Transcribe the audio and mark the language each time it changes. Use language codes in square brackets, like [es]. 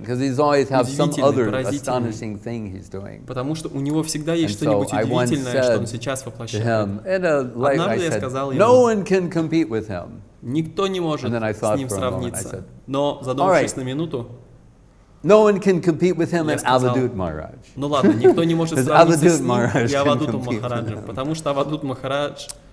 [en] Because he's always have some other astonishing thing he's doing. [ru] Потому что у него всегда есть что-нибудь удивительное, что он сейчас воплощает. Однажды я сказал ему, [en] no one can compete with him. [ru] Никто не может с ним сравниться. Но задумавшись на минуту, [en] no one can compete with him and Avadhut Maharaj. [ru] Ну ладно, никто не может сравниться с ним и Авадутом Махараджем. Потому что Авадут Махарадж